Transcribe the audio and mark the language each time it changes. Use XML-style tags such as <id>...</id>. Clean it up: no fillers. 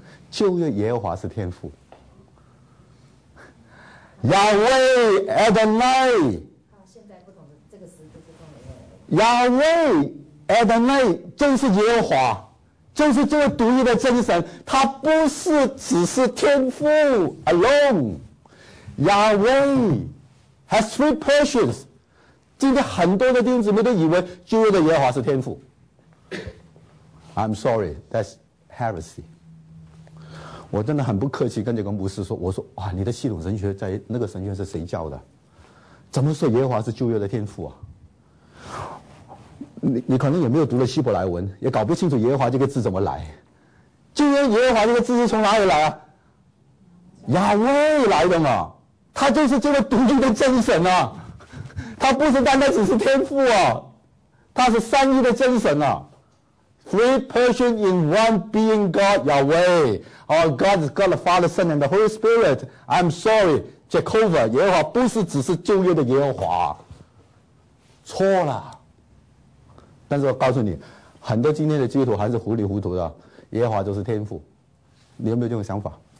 <zh>旧约耶和华是天父，亚威 Adonai，现在不懂这个词就是亚威 Adonai， 就是耶和华，就是这个独一的真神，他不是只是天父 alone。</zh> <en>亚威 has three persons。</en> <zh>今天很多的弟兄姊妹都以为旧约的耶和华是天父，</zh> <en>I'm sorry, that's heresy。</en> <zh>我真的很不客气跟这个牧师说，我说哇，你的系统神学在那个神学是谁教的？怎么说耶和华是旧约的天父啊？你可能也没有读了希伯来文，也搞不清楚耶和华这个字怎么来。旧约耶和华这个字是从哪里来啊？亚威来的嘛，他就是这个独立的真神啊，他不是单单只是天父啊，他是三一的真神啊。</zh> <en>Three persons in one being God, Yahweh. Our God is God, the Father, Son, and the Holy Spirit. I'm sorry,</en> <zh>Jehovah, 耶和华不是只是旧约的耶和华。错了。但是我告诉你，很多今天的基督徒还是糊里糊涂的，耶和华就是天父。你有没有这种想法？</zh>